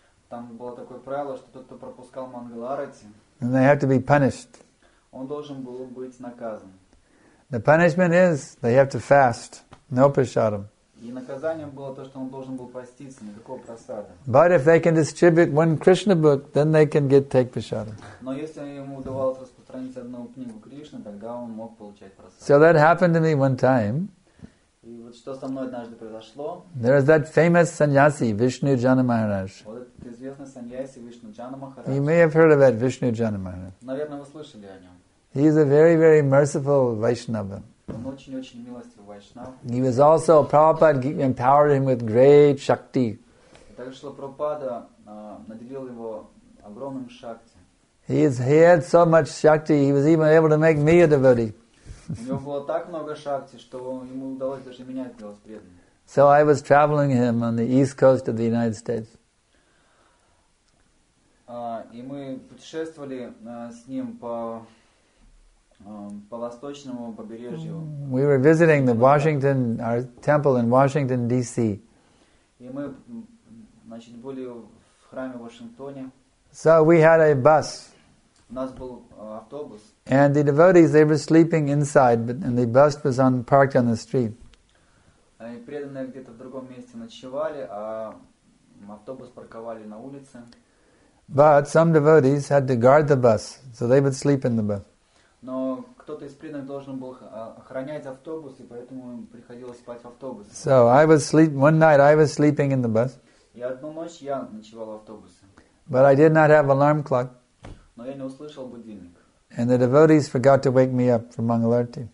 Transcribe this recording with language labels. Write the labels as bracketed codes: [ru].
[ru] Там было такое правило, что тот, кто пропускал Мангал Арати, [en] and they have to be punished. [ru] Он должен был быть наказан. [en] The punishment is they have to fast, no prasadam. [ru] И наказанием было то, что он должен был поститься, никакого прасада. [en] But if they can distribute one Krishna book, then they can take prasadam. [ru] Но если ему удавалось распространить одну книгу Кришны, тогда он мог получать прасад. [en] So that happened to me one time. [ru] И вот что со мной однажды произошло. [en] There is that famous sannyasi, Vishnu Jana Maharaj. [ru] Вот этот известный sannyasi, Vishnu Jana Maharaj. [en] You may have heard of that Vishnu Jana Maharaj. [ru] Наверное, вы слышали о нем. [en] He is a very, very merciful Vaishnava. [ru] Он очень-очень милостивый Вайшнава. [en] He was also, Prabhupada empowered him with great shakti. [ru] Так что Прабхупада наделил его огромным шакти. [en] He had so much shakti, he was even able to make me a devotee. [ru] У него было так много шакти, что ему удалось даже меня сделать преданным. [en] So I was traveling him on the east coast of the United States. [ru] И мы путешествовали с ним по восточному побережью. [en] We were visiting the Washington, our temple in Washington, D.C. [ru] И мы, значит, были в храме в Вашингтоне. [en] So we had a bus. And the devotees, they were sleeping inside, but and the bus was on parked on the street. But some devotees had to guard the bus, so they would sleep in the bus. [ru] Но кто-то из преданных должен был охранять автобус, и поэтому приходилось спать в автобусе. [en] So I was one night I was sleeping in the bus. [ru] И одну ночь я ночевал в автобусе. [en] But I did not have alarm clock. [ru] Но я не услышал будильник. [en] And the devotees forgot to wake me up from Mangalarti.